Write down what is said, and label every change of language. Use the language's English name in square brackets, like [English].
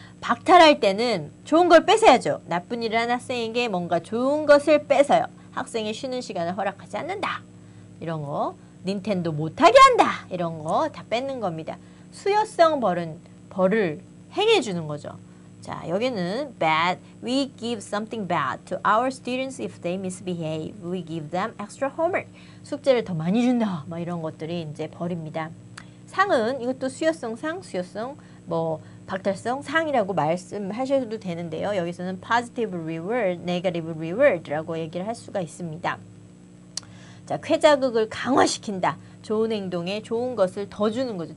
[Korean] 박탈할 때는 좋은 걸 뺏어야죠. 나쁜 일을 한 학생에게 뭔가 좋은 것을 뺏어요. 학생이 쉬는 시간을 허락하지 않는다. 이런 거, 닌텐도 못하게 한다. 이런 거 다 뺏는 겁니다. 수여성 벌은 벌을 행해주는 거죠. 자, 여기는 bad. [English] We give something bad to our students if they misbehave. We give them extra homework. [Korean] 숙제를 더 많이 준다. 뭐 이런 것들이 이제 벌입니다. 상은 이것도 수여성 상, 수여성 뭐 박탈성 상이라고 말씀하셔도 되는데요. 여기서는 positive reward, negative reward라고 얘기를 할 수가 있습니다. 자, 쾌자극을 강화시킨다. 좋은 행동에 좋은 것을 더 주는 거죠.